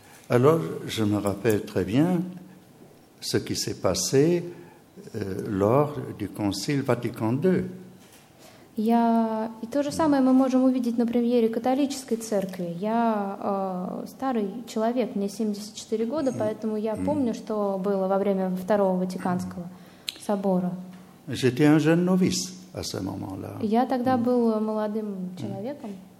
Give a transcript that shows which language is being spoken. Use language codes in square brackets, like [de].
[fr] Alors, je me rappelle très bien ce qui s'est passé lors du Concile Vatican II. [ru] Я и то же самое мы можем увидеть на премьере католической церкви. Я старый человек, мне 74 года, поэтому я помню, что было во время Второго Ватиканского собора. [fr] J'étais un jeune novice à ce moment-là. [ru] Я тогда был молодым человеком.